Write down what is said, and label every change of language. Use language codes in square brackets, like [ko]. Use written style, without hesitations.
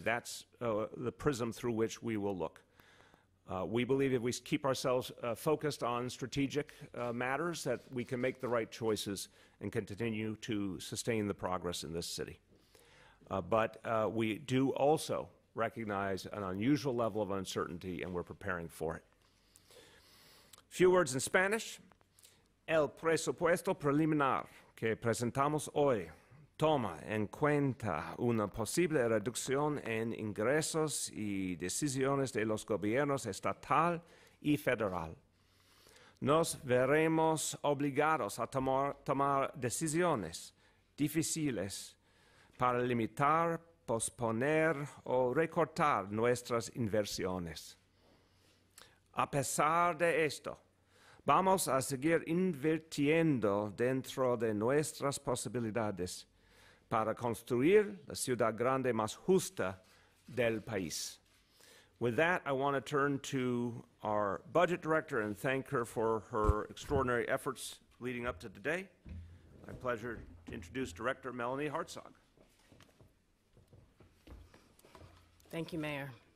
[en] That's the prism through which we will look. We believe if we keep ourselves focused on strategic matters that we can make the right choices and continue to sustain the progress in this city. But we do also recognize an unusual level of uncertainty, and we're preparing for it. A few words in Spanish. [es] El presupuesto preliminar que presentamos hoy toma en cuenta una posible reducción en ingresos y decisiones de los gobiernos estatal y federal. Nos veremos obligados a tomar decisiones difíciles para limitar, posponer o recortar nuestras inversiones. A pesar de esto, vamos a seguir invirtiendo dentro de nuestras posibilidades para construir la ciudad grande más justa del país. [en] With that, I want to turn to our budget director and thank her for her extraordinary efforts leading up to today. My pleasure to introduce Director Melanie Hartsog. Thank you, Mayor.